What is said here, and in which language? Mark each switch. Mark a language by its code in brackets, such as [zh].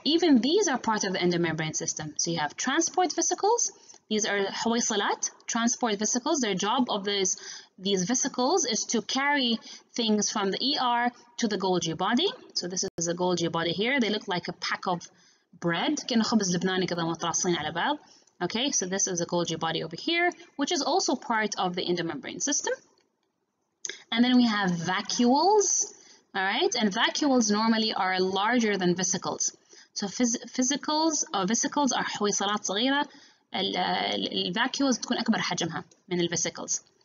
[en] Even these are part of the endomembrane system. So you have transport vesicles. These are حويصلات, transport vesicles. Their job of these vesicles is to carry things from the ER to the Golgi body. So this is a Golgi body here. They look like a pack of [ar] bread, كأنه خبز لبناني كذا متراصين على بعض. [en] Okay, so this is a Golgi body over here, which is also part of the endomembrane system. And then we have vacuoles, all right? And vacuoles normally are larger than vesicles. So vesicles or vesicles are [ar] حويصلات صغيرة. الفاكيولز تكون أكبر حجمها من الفيسيكلز.